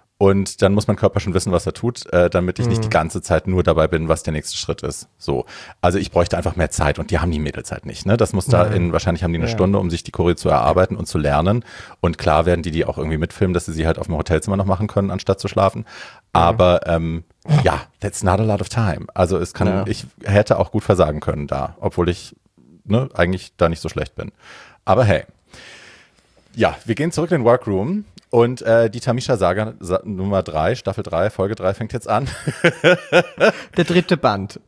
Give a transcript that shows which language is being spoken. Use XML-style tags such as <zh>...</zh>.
<de>Und dann muss mein Körper schon wissen, was er tut, damit ich nicht die ganze Zeit nur dabei bin, was der nächste Schritt ist. So, also ich bräuchte einfach mehr Zeit und die haben die Mädels halt nicht. Ne? Das muss da wahrscheinlich haben die eine Stunde, um sich die Choreo zu erarbeiten und zu lernen. Und klar werden die auch irgendwie mitfilmen, dass sie halt auf dem Hotelzimmer noch machen können, anstatt zu schlafen. Aber ja,</de> <en>that's not a lot of time.</en> <de>Also es kann, ich hätte auch gut versagen können da, obwohl ich eigentlich da nicht so schlecht bin. Aber hey, ja, wir gehen zurück in den Workroom. Und die Tamisha-Saga Nummer 3, Staffel 3, Folge 3 fängt jetzt an. Der dritte Band.</de>